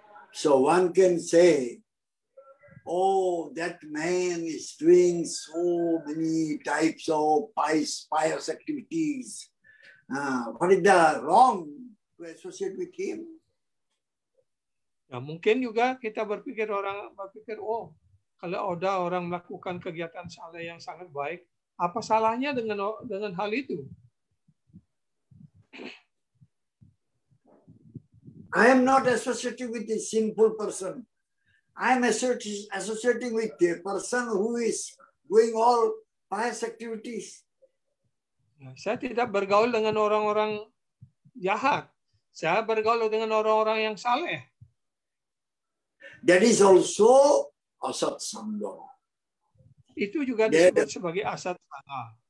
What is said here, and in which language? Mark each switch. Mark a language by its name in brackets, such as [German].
[English] So one can say, oh, that man is doing so many types of pious activities. What is the wrong to associate with him? [Indonesian] Ya, mungkin juga kita berpikir, orang berpikir, oh, kalau ada orang melakukan kegiatan saleh yang sangat baik, apa salahnya dengan hal itu? [English] I am not associating with a simple person. I am associating with a person who is doing all pious activities. [Indonesian] Saya tidak bergaul dengan orang-orang jahat. Saya bergaul dengan orang-orang yang saleh. [English] That is also asat sanga. [Indonesian] Itu juga disebut [English] that [Indonesian] sebagai asat sanga.